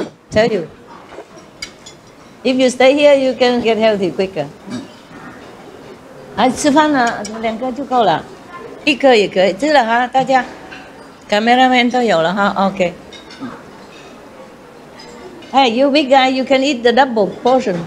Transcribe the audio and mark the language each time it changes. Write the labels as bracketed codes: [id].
[en] Tell you, if you stay here, you can get healthy quicker. [zh] 来吃饭了，两个就够了，一颗也可以，吃了哈，大家。 Cameraman 都有了哈 ，OK. [en] Hey, you big guy, you can eat the double portion.